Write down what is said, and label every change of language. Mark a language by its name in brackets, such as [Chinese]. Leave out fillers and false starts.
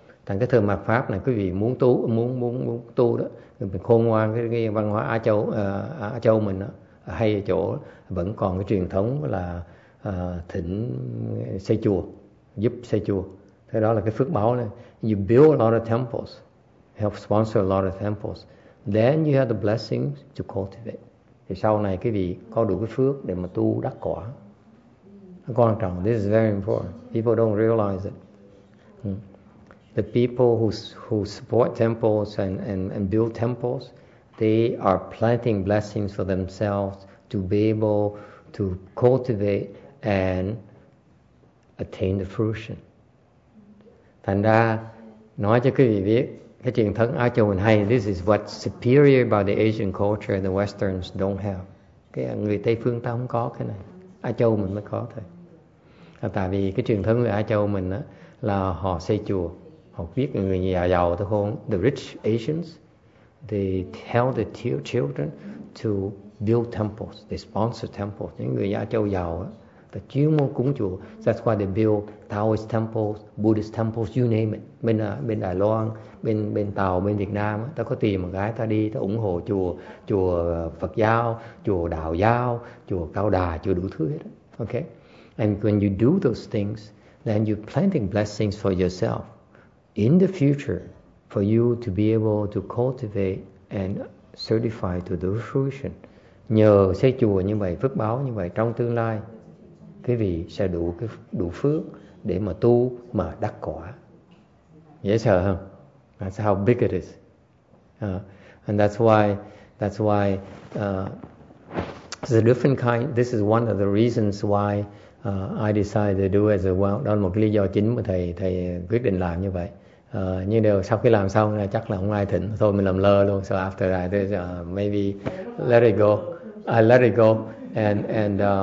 [Vietnamese] Thành cái thời mạt pháp này, quý vị muốn tu đó, mình khôn ngoan cái văn hóa Á Châu mình đó, hay ở chỗ vẫn còn cái truyền thống là thỉnh xây chùa, giúp xây chùa. Thế đó là cái phước báo này. [English] You build a lot of temples, help sponsor a lot of temples, then you have the blessings to cultivate. [Vietnamese] Thì sau này quý vị có đủ cái phước để mà tu đắc quả. Nó quan trọng. [English] This is very important. People don't realize it. The people who support temples and build temples, they are planting blessings for themselves to be able to cultivate and attain the fruition. [Vietnamese] Thành ra, nói cho quý vị biết, cái truyền thống Á Châu mình hay, [English] this is what superior about the Asian culture and the Westerns don't have. [Vietnamese] Cái người Tây phương ta không có cái này. Á Châu mình mới có thôi. Tại vì cái truyền thống người Á Châu mình á, là họ xây chùa, họ viết người nhà giàu thôi không? [English] The rich Asians, they tell the children to build temples, they sponsor temples. [Vietnamese] Những người Á Châu giàu á, the chuyên môn cúng chùa, [English] that's why they build Taoist temples, Buddhist temples, you name it. [Vietnamese] Bên Đài Loan, bên Tàu, bên Việt Nam, ta có tìm một gái ta đi, ta ủng hộ chùa Phật giáo, chùa Đạo giáo, chùa Cao Đà, chùa đủ thứ hết. [English] Okay? And when you do those things, then you're planting blessings for yourself in the future for you to be able to cultivate and certify to the fruition. [Vietnamese] Nhờ xây chùa như vậy, phước báo như vậy, trong tương lai, quý vị sẽ đủ phước để mà tu mà đắc quả. Dễ sợ không? [English] That's how big it is. And that's why the different kind, this is one of the reasons why I decided to do as well. [Vietnamese] Đó là một lý do chính mà thầy quyết định làm như vậy. Nhưng đều sau khi làm xong là chắc là không ai thỉnh, thôi mình làm lơ luôn. [English] So after that, maybe let it go. I let it go and